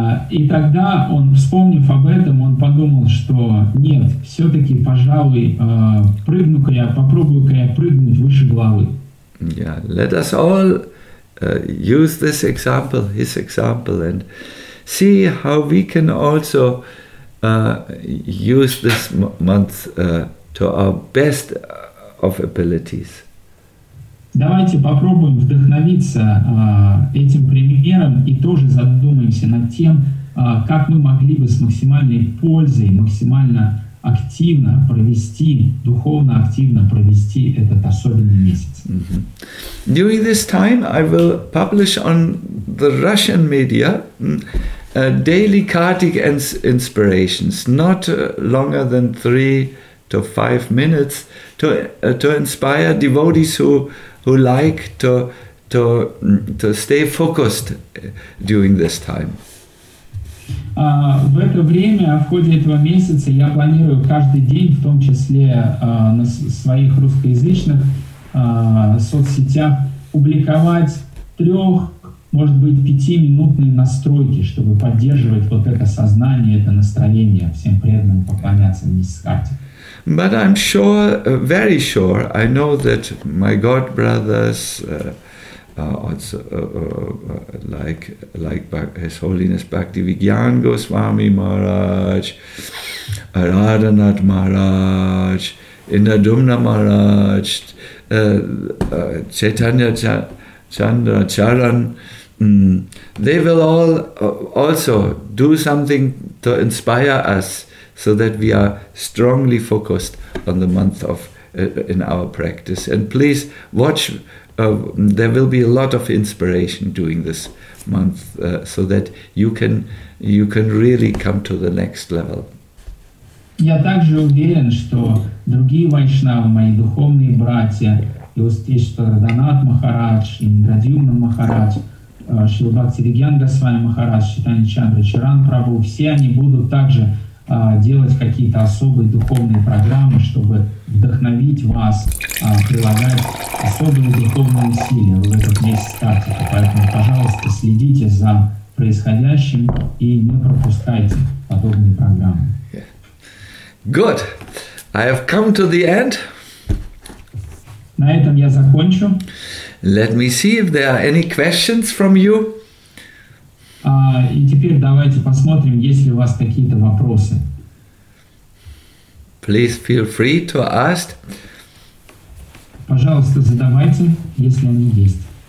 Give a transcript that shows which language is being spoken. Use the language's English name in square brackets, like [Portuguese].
[Russian] И тогда он, вспомнив об этом, он подумал, что нет, все-таки, пожалуй, прыгну-ка я, попробую-ка я прыгнуть выше головы. [English] Yeah, let us all use this example, his example, and see how we can also use this month to our best of abilities. [Russian] Давайте попробуем вдохновиться этим примером и тоже задумаемся над тем, как мы могли бы с максимальной пользой, максимально активно провести, духовно активно провести этот особенный месяц. [English] During this time I will publish on the Russian media daily Kartik inspirations, not longer than 3 to 5 minutes to inspire devotees who like to stay focused during this time. [Russian] В это время, в ходе этого месяца, я планирую каждый день, в том числе на своих русскоязычных соцсетях, публиковать 3, может быть, 5-минутные настройки, чтобы поддерживать вот это сознание, это настроение всем преданным поклоняться в месяц карте. [English] But I'm sure, very sure, I know that my God brothers, also like His Holiness Bhaktivigyan Goswami Maharaj, Radhanath Maharaj, Indradumna Maharaj, Chaitanya Chandra Charan, they will all also do something to inspire us, so that we are strongly focused on the month of in our practice. And please watch, there will be a lot of inspiration during this month, so that you can really come to the next level. [Russian] Я также уверен, что другие вайшнавы, мои духовные братья, и успешно Радханатх Махарадж, Индрадьюмна Махарадж, Шрила Бхактивиджан Госвами Махарадж, Чайтанья Чандра Чаран Прабху, все они будут также делать какие-то особые духовные программы, чтобы вдохновить вас прилагать особые духовные усилия в этот месяц практики. Поэтому, пожалуйста, следите за происходящим и не пропускайте подобные программы. [English] Good. I have come to the end. [Russian] На этом я закончу. [English] Let me see if there are any questions from you. [Russian] И теперь давайте посмотрим, есть ли у вас какие-то вопросы. [English] Please feel free to ask. [Russian] Пожалуйста, задавайте, если они есть.